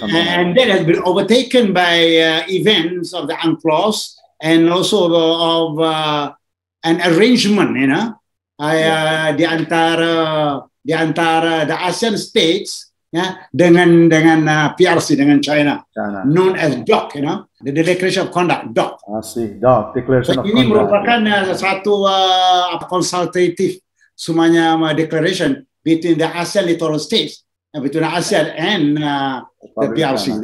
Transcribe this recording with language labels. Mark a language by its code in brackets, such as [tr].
[en] And that has been overtaken by events of the UNCLOS and also of an arrangement, you know, [ms] di antara [en] the ASEAN states, [ms] dengan PRC, dengan China, [en] known as DOC, you know, the Declaration of Conduct, DOC. I see, DOC, Declaration of Conduct. [ms] Ini merupakan satu consultative. [en] Semuanya declaration between the ASEAN littoral states, between ASEAN and the PRC, China.